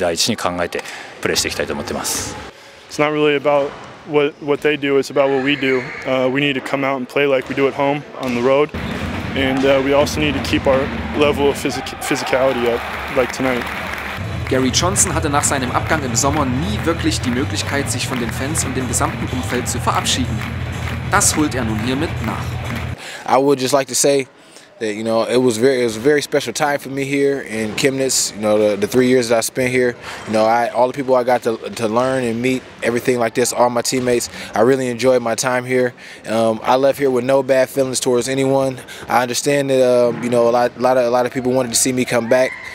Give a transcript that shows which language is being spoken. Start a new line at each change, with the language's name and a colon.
English: It's not really about what they do, it's about what we do. We need to come out and play like we do at home on the road. And we also need to keep our level of physicality up, like tonight.
German: Gary Johnson hatte nach seinem Abgang im Sommer nie wirklich die Möglichkeit, sich von den Fans und dem gesamten Umfeld zu verabschieden. Das holt nun hiermit nach.
English: I would just like to say that, you know, it was a very special time for me here in Chemnitz. You know, the 3 years that I spent here, you know, all the people I got to learn and meet, everything like this, all my teammates, I really enjoyed my time here. I left here with no bad feelings towards anyone. I understand that, you know, a lot of people wanted to see me come back.